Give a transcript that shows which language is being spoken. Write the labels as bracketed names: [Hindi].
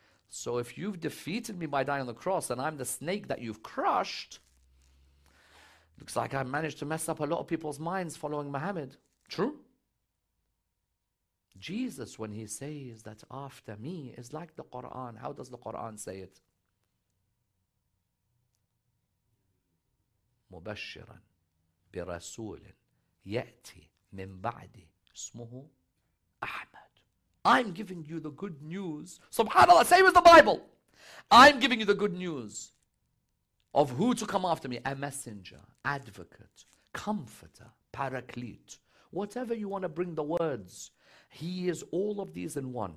[English] So if you've defeated me by dying on the cross and I'm the snake that you've crushed, looks like I managed to mess up a lot of people's minds following Muhammad. True. Jesus, when he says that after me, is like the Quran. How does the Quran say it? [Arabic] مبشرا برسول يأتي من بعدي اسمه أحمد. [English] I'm giving you the good news. Subhanallah, same as the Bible. I'm giving you the good news of who to come after me. A messenger, advocate, comforter, paraclete. Whatever you want to bring the words, he is all of these in one.